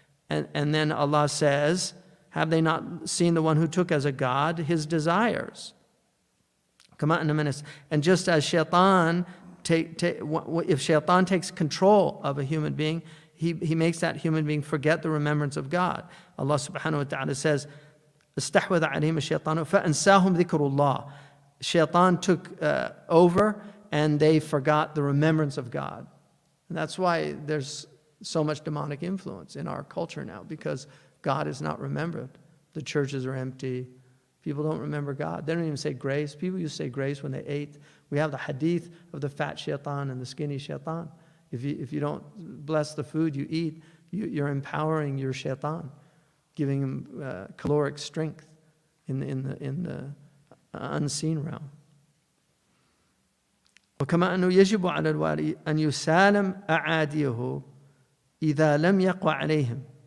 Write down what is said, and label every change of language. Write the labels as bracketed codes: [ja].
[en] And then Allah says, have they not seen the one who took as a god his desires? And just as shaitan, if shaitan takes control of a human being, he makes that human being forget the remembrance of God. [ar] Allah subhanahu wa ta'ala says, استحوذ عليهم الشيطان فأنساهم ذكر الله. [en] Shaitan took over and they forgot the remembrance of God. And that's why there's so much demonic influence in our culture now, because God is not remembered. The churches are empty. People don't remember God. They don't even say grace. People used to say grace when they ate. We have the hadith of the fat shaitan and the skinny shaitan. If you don't bless the food you eat, you're empowering your shaitan, giving him caloric strength in the unseen realm. [ar] وكما أنه يجب على الواري أن يسالم أعاديه إذا لم يقوى عليهم.